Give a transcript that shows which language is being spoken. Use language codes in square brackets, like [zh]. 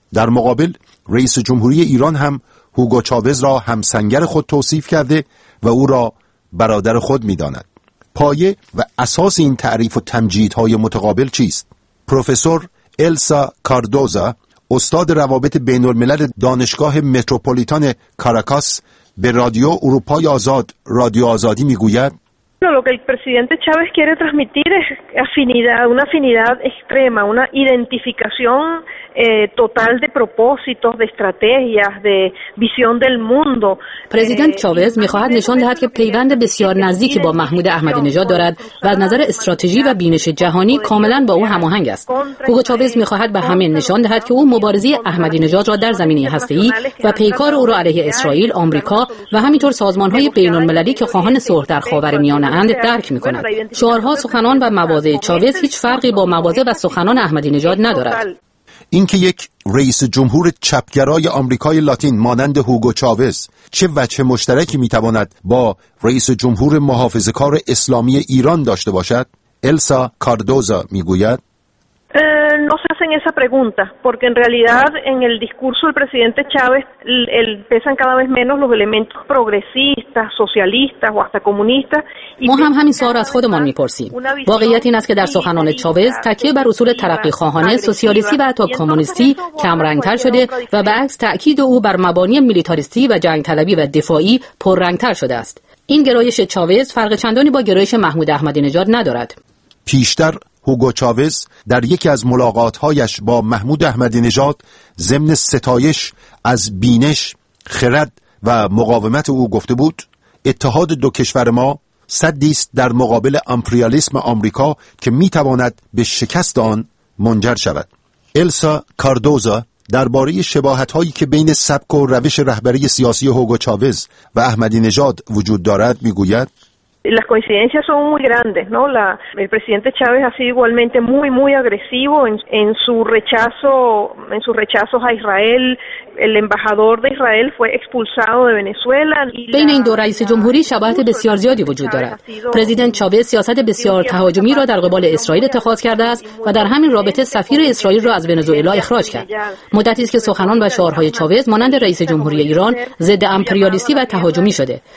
[fa] در مقابل رئیس جمهوری ایران هم هوگو چاوز را همسنگر خود توصیف کرده و او را برادر خود می‌داند. پایه و اساس این تعریف و تمجیدهای متقابل چیست؟ پروفسور السا کاردوزا، استاد روابط بین‌الملل دانشگاه متروپولیتان کاراکاس، به رادیو اروپای آزاد، رادیو آزادی میگوید: [es] lo que el presidente Chávez quiere transmitir es afinidad, una afinidad extrema, una identificación total de propósitos, de estrategias, de visión del mundo. [fa] پرزیدنت چاوز میخواهد نشان دهد که پیوند بسیار نزدیکی با محمود احمدی نژاد دارد و از نظر استراتژی و بینش جهانی کاملا با او هماهنگ است. هوگو چاوز میخواهد به همه نشان دهد که او مبارزه احمدی نژاد را در زمینه هسته‌ای و پیکار او را علیه اسرائیل، آمریکا و همینطور سازمان‌های بین‌المللی که خواهان صلح در خاورمیانه اند درک میکند. شعارها، سخنان و مواضع چاوز هیچ فرقی با مواضع و سخنان احمدی نژاد ندارد. اینکه یک رئیس جمهور چپگرای آمریکای لاتین مانند هوگو چاوز چه وجه مشترکی میتواند با رئیس جمهور محافظه‌کار اسلامی ایران داشته باشد؟ السا کاردوزا میگوید: [es] no se hacen esa pregunta porque en realidad en el discurso del presidente Chávez pesan cada vez menos los elementos progresistas, socialistas o hasta comunistas. [fa] ما هم همین سوال از خودمان میپرسیم. واقعیت این است که در سخنان چاوز تکیه بر اصول ترقی خواهانه، سوسیالیستی و حتی کمونیستی کمرنگتر شده و به عکس تأکید او بر مبانی میلیتاریستی و جنگ طلبی و دفاعی پررنگتر شده است. این گرایش چاوز فرق چندانی با گرایش محمود احمدی نژاد ندارد. پیشتر هوگو چاوز در یکی از ملاقاتهایش با محمود احمدی نژاد ضمن ستایش از بینش، خرد و مقاومت او گفته بود: اتحاد دو کشور ما سدی است در مقابل امپریالیسم آمریکا که میتواند به شکست آن منجر شود. السا کاردوزا درباره شباهت‌هایی که بین سبک و روش رهبری سیاسی هوگو چاوز و احمدی نژاد وجود دارد میگوید: [es] las coincidencias son muy grandes, ¿no? El presidente Chávez ha sido igualmente muy, muy agresivo en sus rechazos a Israel. El embajador de Israel fue expulsado de Venezuela. [fa] بین این دو رئیس جمهوری شباهت بسیار زیادی وجود دارد. پرزیدنت چاوز سیاست بسیار تهاجمی را در قبال اسرائیل اتخاذ کرده است و در همین رابطه سفیر اسرائیل را از ونزوئلا اخراج کرد. مدتی است که سخنان و شعارهای چاوز مانند رئیس جمهوری ایران ضد امپریالیستی و تهاجمی شده.